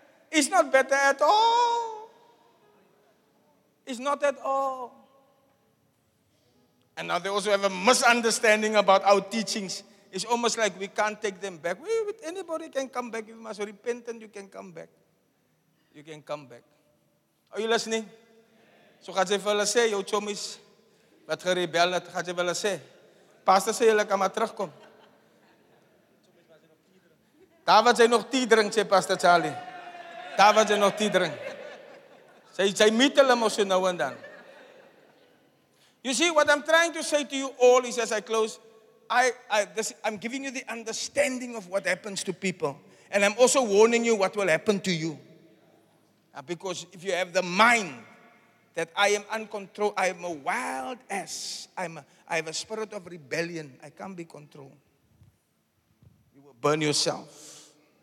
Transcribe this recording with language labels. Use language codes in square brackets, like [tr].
[en] It's not better at all. It's not at all. And now they also have a misunderstanding about our teachings. It's almost like we can't take them back. Anybody can come back. If you must repent and you can come back. You can come back. Are you listening? [af] So gaat jy vir hulle sê, jou chommies, wat gerebel het, gaat jy vir hulle sê, pastor sê, julle kan maar terugkom. Daar wat jy nog tea drink, sê pastor Charlie. Daar wat jy nog tea drink. Sy meet hulle mos so nou en dan. [en] You see, what I'm trying to say to you all is as I close, I'm giving you the understanding of what happens to people. And I'm also warning you what will happen to you. Because if you have the mind that I am uncontrolled, I am a wild ass, I have a spirit of rebellion, I can't be controlled, you will burn yourself.